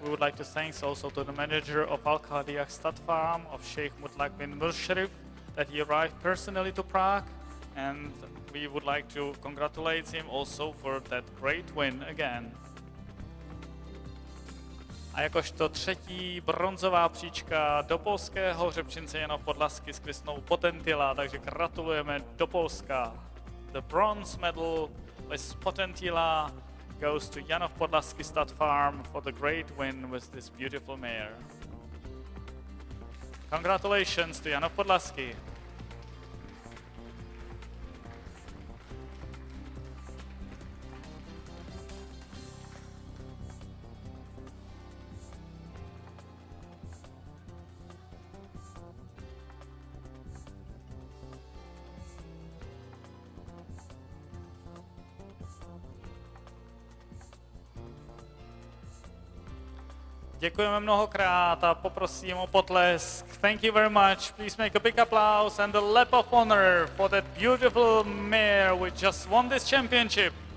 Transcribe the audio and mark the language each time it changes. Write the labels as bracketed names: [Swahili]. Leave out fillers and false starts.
[English] We would like to thanks also to the manager of Al Khaladiyah Stud Farm of Sheikh Mutlaq bin Mursharif that he arrived personally to Prague, and we would like to congratulate him also for that great win again. [Czech] A jakožto třetí bronzová příčka do polského hřebčince jenom podlasky s Kristinou Potentila, takže gratulujeme do Polska. [English] The bronze medal with Potentila goes to Janov Podlaski Stud Farm for the great win with this beautiful mare. Congratulations to Janov Podlaski. [Czech] Děkujeme mnohokrát a poprosím o potlesk. [English] Thank you very much. Please make a big applause and a lap of honor for that beautiful mare which just won this championship.